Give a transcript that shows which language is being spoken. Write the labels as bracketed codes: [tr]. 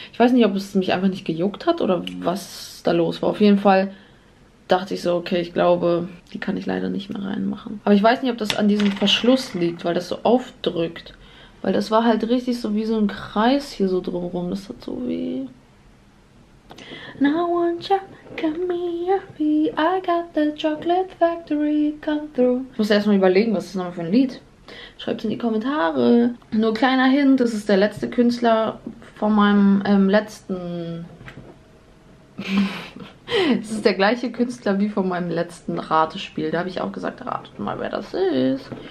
[de] Ich weiß nicht, ob es mich einfach nicht gejuckt hat oder was da los war. Auf jeden Fall dachte ich so, okay, ich glaube, die kann ich leider nicht mehr reinmachen. Aber ich weiß nicht, ob das an diesem Verschluss liegt, weil das so aufdrückt. Weil das war halt richtig so wie so ein Kreis hier so drumherum. Das hat so weh. [en] Now won't you come here, I got the chocolate factory come through. [de] Ich muss erstmal überlegen, was das nochmal für ein Lied. Schreibt es in die Kommentare. Nur kleiner Hint, das ist der letzte Künstler von meinem letzten. Es ist der gleiche Künstler wie von meinem letzten Ratespiel. Da habe ich auch gesagt, ratet mal, wer das ist.